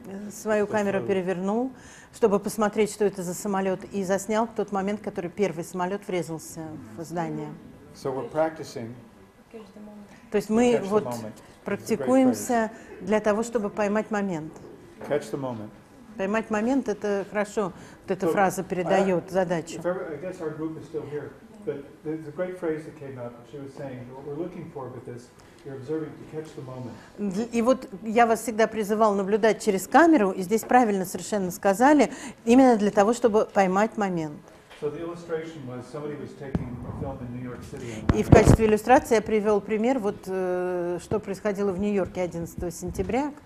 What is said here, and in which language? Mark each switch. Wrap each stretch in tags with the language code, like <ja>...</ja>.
<ru>Свою камеру перевернул, чтобы посмотреть, что это за самолет, и заснял тот момент, который первый самолет врезался в здание.</ru> <en>So we're practicing.</en> <ru>То есть мы вот практикуемся для того, чтобы поймать момент.</ru> <en>Catch the moment.</en> <ru>Поймать момент – это хорошо, вот эта фраза передает задачу.</ru> <en>I guess our group is still here, but there's a great phrase that came up. She was saying, what we're looking for with this. You're observing to catch the moment.</en> <ru>И вот я вас всегда призывал наблюдать через камеру, и здесь правильно совершенно сказали, именно для того, чтобы поймать момент.</ru> <en>So the illustration was somebody was taking a film in New York City.</en> <ru>И в качестве иллюстрации я привел пример, вот что происходило в Нью-Йорке 11 сентября.</ru>